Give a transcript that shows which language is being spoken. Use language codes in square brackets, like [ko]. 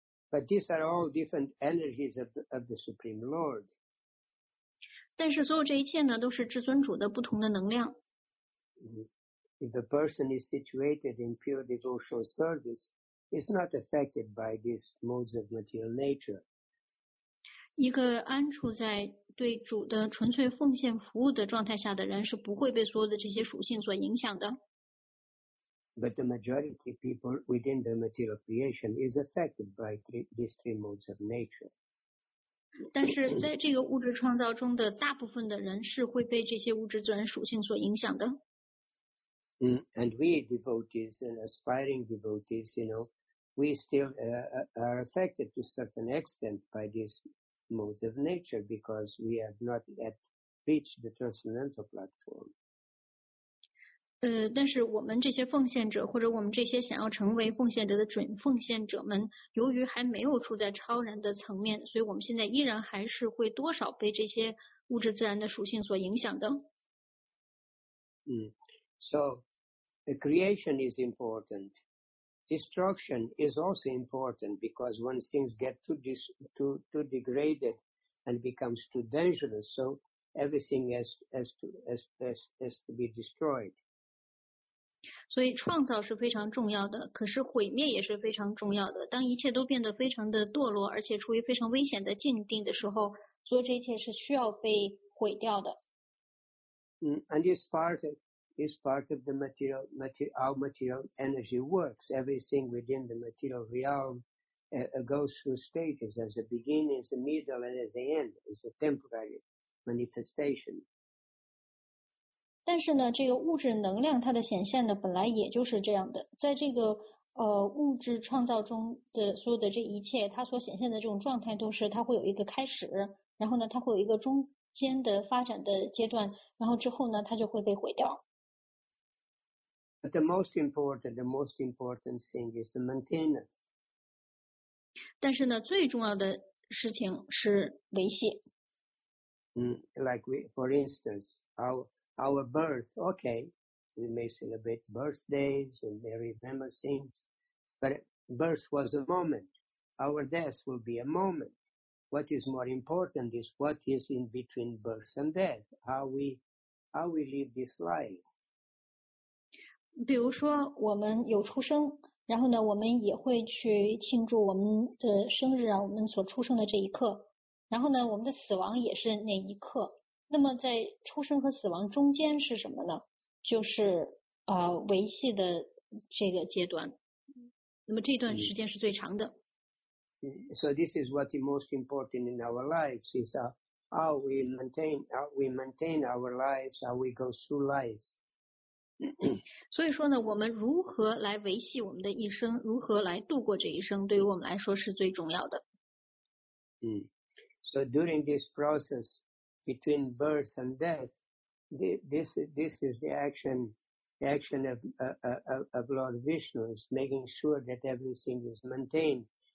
[en] But these are all different energies of the Supreme Lord. [zh] 但是所有这一切呢，都是至尊主的不同的能量。 [en] If a person is situated in pure devotional service, is not affected by these modes of material nature. [zh] 一个安处在对主的纯粹奉献服务的状态下的人，是不会被所有的这些属性所影响的。 [en] But the majority of people within the material creation is affected by these three modes of nature. [zh] 但是在这个物质创造中的大部分的人是会被这些物质自然属性所影响的。 [en] And we devotees and aspiring devotees, you know, we still are affected to a certain extent by these modes of nature because we have not yet reached the transcendental platform. [zh] 但是我们这些奉献者或者我们这些想要成为奉献者的准奉献者们由于还没有处在超然的层面所以我们现在依然还是会多少被这些物质自然的属性所影响的。 [en] So, the creation is important. Destruction is also important because when things get too degraded and becomes too dangerous, so everything has to be destroyed. [zh] 所以创造是非常重要的，可是毁灭也是非常重要的。当一切都变得非常的堕落，而且处于非常危险的境地的时候，所以这一切是需要被毁掉的。 [en] And it's part of. Is part of the how material energy works. Everything within the material realm goes through stages as a beginning, as a middle, and as the end. It's a temporary manifestation. [zh] 但是呢，这个物质能量它的显现呢，本来也就是这样的。在这个物质创造中的所有的这一切，它所显现的这种状态都是它会有一个开始，然后呢，它会有一个中间的发展的阶段，然后之后呢，它就会被毁掉。 [en] But the most important thing is the maintenance. [zh] 但是呢，最重要的事情是维系。 [en] Like we, for instance, our birth. Okay, we may celebrate birthdays and may remember things, but birth was a moment. Our death will be a moment. What is more important is what is in between birth and death. How we live this life. [zh] 比如说我们有出生然后呢我们也会去庆祝我们的生日啊我们所出生的这一刻然后呢我们的死亡也是那一刻那么在出生和死亡中间是什么呢就是维系的这个阶段那么这段时间是最长的。 [en] So this is what the most important in our lives is how we maintain our lives, how we go through life. [zh] 所以说呢，我们如何来维系我们的一生，如何来度过这一生，对于我们来说是最重要的。 [en] So during this process between birth and death, this is the action of Lord Vishnu is making sure that everything is maintained.